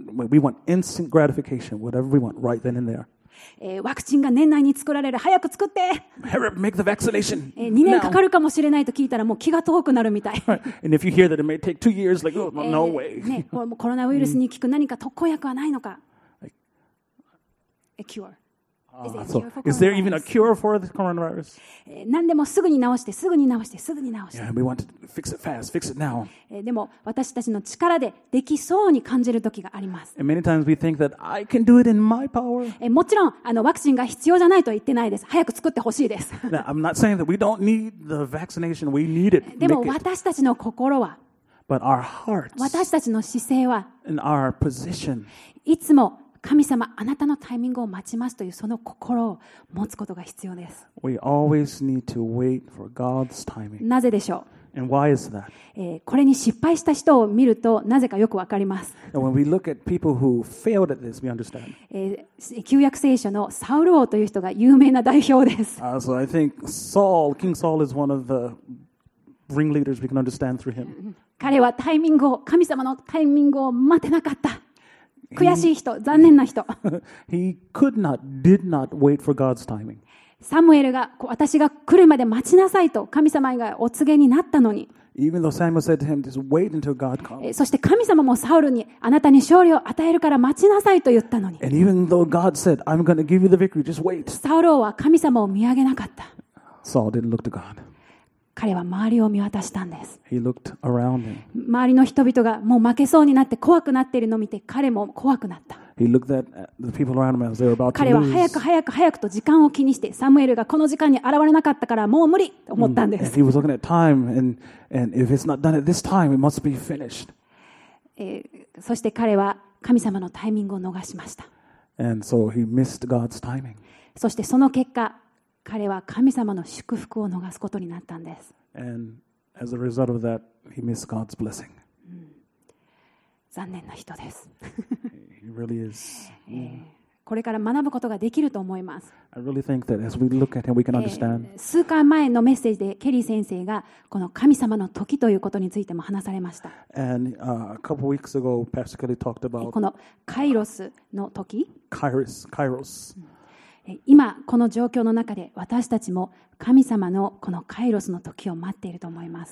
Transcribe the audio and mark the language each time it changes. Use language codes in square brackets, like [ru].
[en] We want instant gratification, whatever we want right then and there. [ja] ワクチンが年内に作られる、早く作って [en] Hurry up, make the vaccination. [ja] 2年かかるかもしれないと聞いたらもう気が遠くなるみたい。 [en] And if you hear that it may take 2 years, like, oh, no way. [ja] コロナウイルスに効く何か特効薬はないのか。 [en] A cure. Is there even a cure for the coronavirus? [ja] 何でもすぐに治して、すぐに治して、すぐに治して。 [en] Yeah, we want to fix it fast, fix it now. [ja] でも私たちの力でできそうに感じる時があります。 [en] And many times we think that I can do it in my power. [ja] もちろんワクチンが必要じゃないと言ってないです。早く作ってほしいです。 [en] Now, I'm not saying that we don't need the vaccination, we need it. [ja] でも私たちの心は、 [en] But our hearts, [ja] 私たちの姿勢は、 [en] And our position, [ja] いつも神様、あなたのタイミングを待ちますというその心を持つことが必要です。 [en] We always need to wait for God's timing. [ja] なぜでしょう。 [en] And why is that? [ja] これに失敗した人を見るとなぜかよくわかります。 [en] And when we look at people who failed at this, we understand. [ja] 旧約聖書のサウル王という人が有名な代表です。 [en] So I think Saul, King Saul is one of the ringleaders we can understand through him. [ja] 彼はタイミングを、神様のタイミングを待てなかった。悔しい人、残念な人。 [en] He could not, did not wait for God's timing. [ja] サムエルが私が来るまで待ちなさいと神様がお告げになったのに。 [en] Even though Samuel said to him, just wait until God comes. [ja] そして神様もサウルにあなたに勝利を与えるから待ちなさいと言ったのに。 [en] And even though God said, I'm going to give you the victory, just wait. [ja] サウル王は神様を見上げなかった。 [en] Saul didn't look to God. [ja] 彼は周りを見渡したんです。 [en] He looked around him. [ja] 周りの人々がもう負けそうになって怖くなっているのを見て彼も怖くなった。 [en] He looked at the people around him as they were about to lose. [ja] 彼は早く早く早くと時間を気にしてサムエルがこの時間に現れなかったからもう無理と思ったんです。 [en] He was looking at time and if it's not done at this time, it must be finished. [ja] そして彼は神様のタイミングを逃しました。 [en] And so he missed God's timing. [ja] そしてその結果彼は神様の祝福を逃すことになったんです。 [en] And as a result of that, he missed God's blessing. [ja] 残念な人です。 [en] He really is. [ja] これから学ぶことができると思います。 [en] I really think that as we look at him, we can understand. [ja] 数回前のメッセージでケリー先生がこの神様の時ということについても話されました。 [en] And a couple weeks ago, Pastor Kelly talked about [ja] このカイロスの時。 [en] Kairos, Kairos. [ja] 今この状況の中で私たちも神様のこのカイロスの時を待っていると思います。